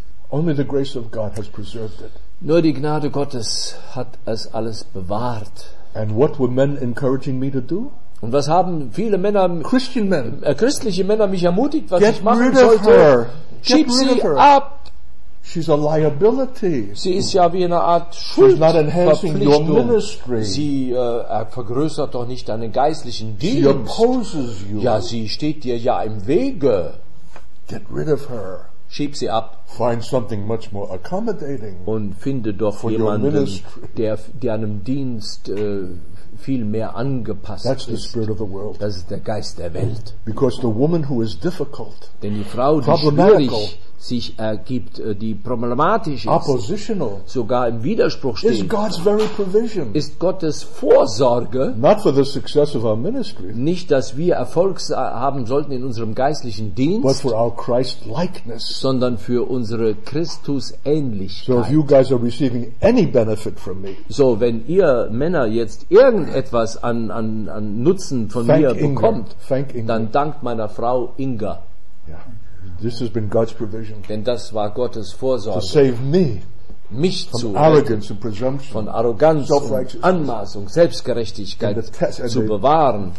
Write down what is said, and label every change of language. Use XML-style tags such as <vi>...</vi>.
<en>Only the grace of God has preserved it.</en> <de>Nur die Gnade Gottes hat es alles bewahrt.</de> <en>And what were men encouraging me to do?</en> <de>Und was haben viele Männer,</de> <en>Christian men,</en> <de>christliche Männer mich ermutigt, was</de> <en>get</en> <de>ich machen</de> <en>rid of</en> <de>sollte?</de> <en>Her.</en> <de>Schieb</de> <en>get rid</en> <de>sie</de> <en>of her.</en> <de>Ab!</de> <en>She's a liability.</en> <de>Sie ist ja wie eine Art Schuldverpflichtung. Sie vergrößert doch nicht deinen geistlichen Dienst.</de> <en>She opposes you.</en> <de>Ja, sie steht dir ja im Wege.</de> <en>Get rid of her.</en> <de>Schieb sie ab.</de> <en>Find something much more accommodating.</en> <de>Und finde doch jemanden, der deinem Dienst viel mehr angepasst ist.</de> <en>That's the spirit of the world.</en> <de>Das ist der Geist der Welt.</de> <en>Because the woman who is difficult,</en> <de>denn die Frau, die schwierig sich ergibt, die problematisch ist, sogar im Widerspruch steht,</de> <en>is God's very provision.</en> <de>Ist Gottes Vorsorge.</de> <en>Not for the success of our ministry,</en> <de>nicht, dass wir Erfolg haben sollten in unserem geistlichen Dienst,</de> <en>but for our Christ-likeness.</en> <de>Sondern für unsere Christusähnlichkeit.</de> <en>So, if you guys are receiving any benefit from me,</en> <de>so wenn ihr Männer jetzt irgendetwas an Nutzen von mir bekommt, dann dankt meiner Frau Inga.</de> <en>Yeah. This has been God's provision.</en> <de>Denn das war Gottes Vorsorge.</de> <en>To save me,</en> <de>mich zu</de> <en>arrogance and presumption,</en> <de>von Arroganz und Anmaßung, Selbstgerechtigkeit zu bewahren.</de>